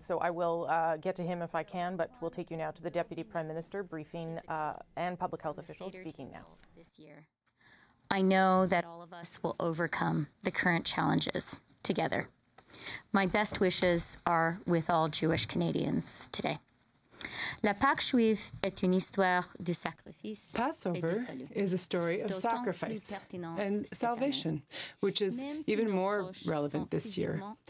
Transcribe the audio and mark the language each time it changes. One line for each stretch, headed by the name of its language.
English: So I will get to him if I can, but we'll take you now to the Deputy Prime Minister briefing and public health officials speaking now. This year. I know that all of us will overcome the current challenges together. My best wishes are with all Jewish Canadians today.
French: La Pâque juive est une histoire de sacrifice.
English: Passover is a story of sacrifice and salvation, which is even more relevant this year.